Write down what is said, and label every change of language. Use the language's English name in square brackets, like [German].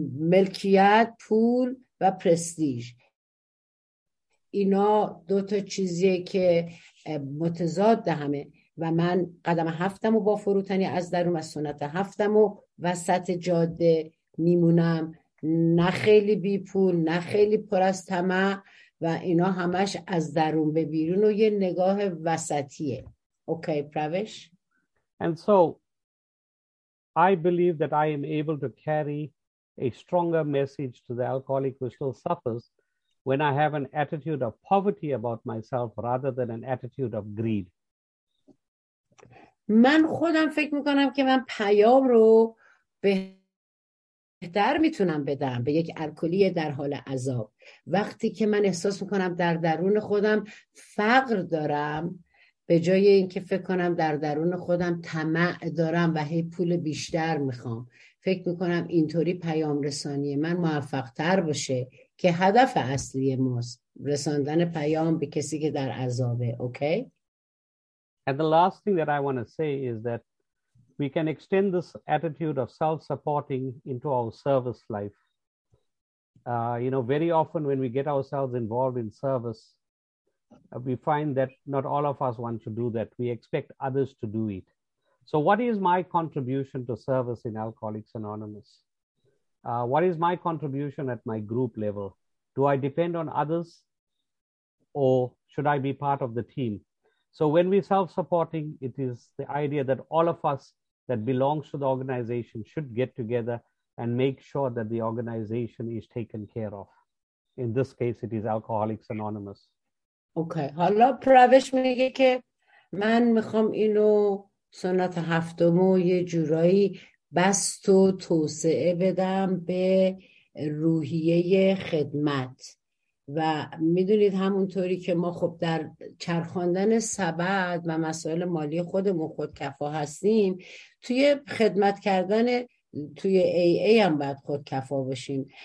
[Persian] ملکیت، پول و پرستیژ. اینا دو تا چیزیه که متضاد همه و من قدم هفتم و با فروتنی از درون و سنت هفتم و وسط جاده میمونم، نه خیلی بی پول، نه خیلی پر از طمع، و اینا همش از درون به بیرون و یه نگاه وسطیه. اوکی پروش. [English] And so I believe that I am able to carry a stronger message to the alcoholic who still suffers when I have an attitude of poverty about myself rather than an attitude of greed. [Persian] من خودم فکر میکنم که من پیام رو بهتر میتونم بدم به یک الکلی در حال عذاب وقتی که من احساس میکنم در درون خودم فقر دارم، به جای اینکه فکر کنم در درون خودم طمع دارم و هی پول بیشتر میخوام. فکر میکنم اینطوری پیام رسانی من موفق تر باشه که هدف اصلی ماست، رساندن پیام به کسی که در عذابه. اوکی. [English] And the last thing that I want to say is that we can extend this attitude of self-supporting into our service life. You know, very often when we get ourselves involved in service, we find that not all of us want to do that. We expect others to do it. So what is my contribution to service in Alcoholics Anonymous? What is my contribution at my group level? Do I depend on others or should I be part of the team? So when we self-supporting, it is the idea that all of us that belongs to the organization should get together and make sure that the organization is taken care of. In this case, it is Alcoholics Anonymous. Okay. [Persian] حالا پروش میگه که من میخوام اینو سنت هفتمو یه جورایی بست و توسعه بدم به روحیه خدمت. و میدونید همونطوری که ما خب در چرخاندن سبد و مسائل مالی خودمون خودکفا هستیم، توی خدمت کردن توی ای ای هم باید خودکفا باشیم.